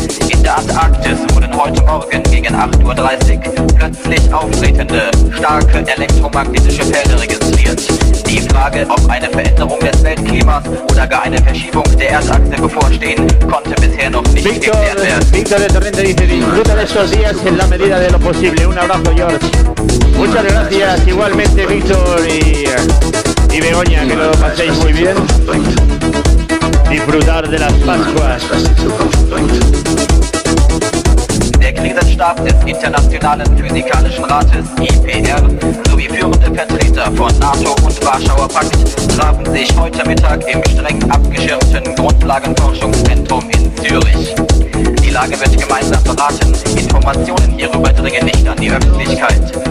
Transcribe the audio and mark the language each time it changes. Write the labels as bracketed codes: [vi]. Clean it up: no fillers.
[de] In der Antarktis wurden heute Morgen gegen 8.30 Uhr plötzlich auftretende starke elektromagnetische Felder registriert. Die Frage, ob eine Veränderung des Weltklimas oder gar eine Verschiebung der Erdachse bevorstehen, konnte bisher noch nicht geklärt werden. [es] Victor de Torrente dice, disfruta de estos días en la medida de lo posible. Un abrazo, George. Muchas gracias, igualmente, Victor y Begoña, que lo paséis muy bien. Disfrutar de las Pascuas. [de] Der Krisenstab des Internationalen Physikalischen Rates, IPR, sowie führende Vertreter von NATO und Warschauer Pakt trafen sich heute Mittag im streng abgeschirmten Grundlagenforschungszentrum in Zürich. Die Lage wird gemeinsam beraten, Informationen hierüber dringen nicht an die Öffentlichkeit.